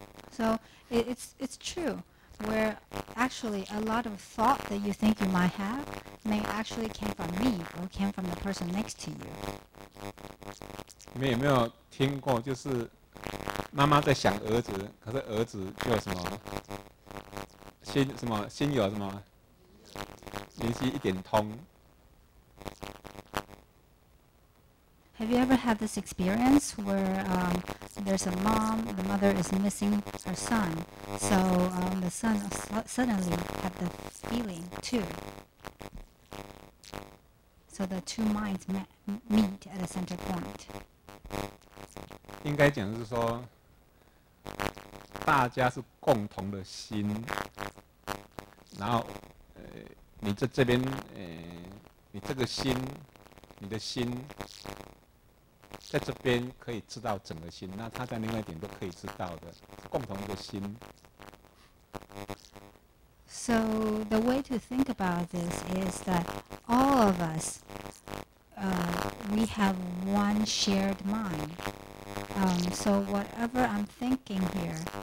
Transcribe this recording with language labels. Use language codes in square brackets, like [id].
[en] So it's true, where actually a lot of thought that you think you might have may actually came from me or came from the person next to you. [zh] 你们有没有听过，就是妈妈在想儿子，可是儿子就有什么心什么心有什么灵犀一点通 [en] ？Have you ever had this experience where there's a mom, the mother is missing her son, so the son suddenly had the feeling too. So the two minds meet at a center point. [zh] 应该讲是说，大家是共同的心，然后，你在这边，你这个心，你的心，在这边可以知道整个心，那他在另外一点都可以知道的，共同的心。 [en] So the way to think about this is that all of us, we have one shared mind. So whatever I'm thinking here